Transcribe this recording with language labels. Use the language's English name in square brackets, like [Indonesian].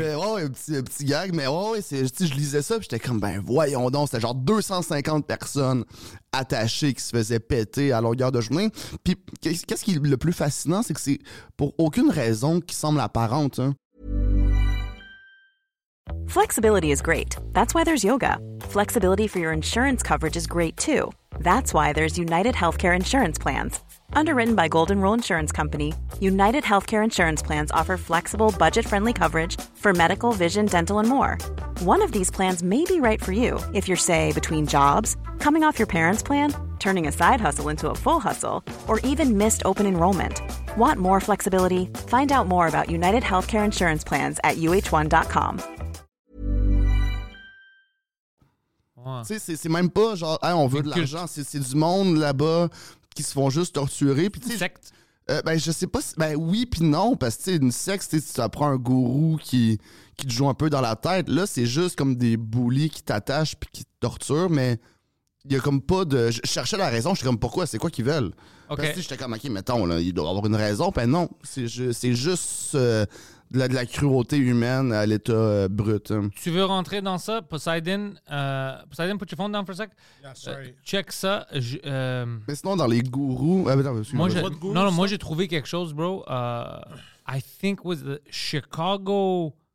[French] Mais ouais, un petit gag, mais ouais, c'est, je lisais ça, puis j'étais comme, ben voyons donc, c'était genre 250 personnes attachées qui se faisaient péter à longueur de chemin. Puis qu'est-ce qui est le plus fascinant, c'est que c'est pour aucune raison qui semble apparente, hein. [English] Flexibility is great. That's why there's yoga. Flexibility for your insurance coverage is great too. That's why there's United Healthcare Insurance Plans. Underwritten by Golden Rule Insurance Company, United Healthcare Insurance Plans offer flexible, budget-friendly coverage for medical, vision, dental, and more. One of these plans may be right for you if you're, say, between jobs, coming off your parents' plan, turning a side hustle into a full hustle, or even missed open enrollment. Want more flexibility? Find out more about United Healthcare Insurance Plans at uh1.com. [French] Ouais. Tu sais, c'est même pas genre, hey, on veut de l'argent, c'est du monde là-bas qui se font juste torturer. Puis, t'sais, secte? Ben, je sais pas si. Ben oui, puis non, parce que une secte, tu apprends un gourou qui te joue un peu dans la tête. Là, c'est juste comme des boulis qui t'attachent puis qui te torturent, mais il y a comme pas de. Je cherchais la raison, je suis comme pourquoi, c'est quoi qu'ils veulent. Okay. Parce que j'étais comme, ok, mettons, là, il doit avoir une raison. Ben non, c'est juste. De la cruauté humaine à l'état brut. Hein. Tu veux rentrer dans ça, Poseidon? [English] Poseidon, put your phone down for a sec. Yeah, sorry. [French] Check ça. Mais sinon, dans les gourous... Moi, j'ai trouvé quelque chose, bro. [English] I think it was the Chicago...